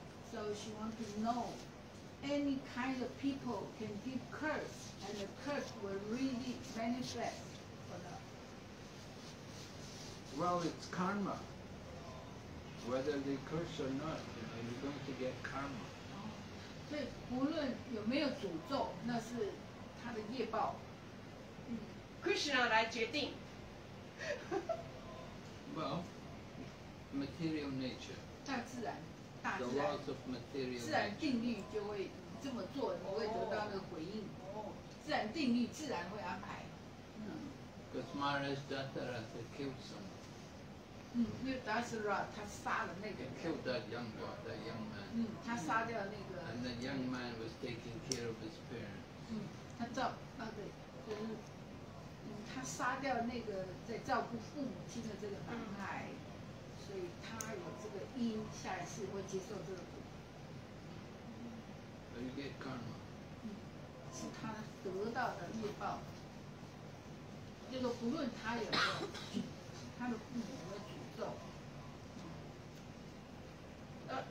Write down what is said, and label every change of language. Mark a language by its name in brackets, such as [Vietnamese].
[English] So she wants to know any kind of people can give curse, and the curse will really manifest for them. Well, it's karma. Whether they curse or not, you're going to get karma. [Chinese] 所以无论有没有诅咒，那是他的业报。 Krishna 来决定。 [English] Well, material nature. [Chinese] 大自然，大自然。 [English] The laws of material. [Chinese] 自然定律就会这么做，你会得到那个回应。自然定律，自然会安排。 [English] Because Maharaj Dasaratha killed someone. [Chinese] 因为 Dasaratha 他杀了那个。 [English] He killed that young man. [Chinese] 他杀掉那个。 [English] And the young man was taking care of his parents. [Chinese] 他照啊对，就是。他杀掉那个在照顾父母亲的这个男孩，所以他有这个因，下一次会接受这个果。 [English] You get karma. [Chinese] 是他得到的业报，就是不论他有没有他的父母的诅咒。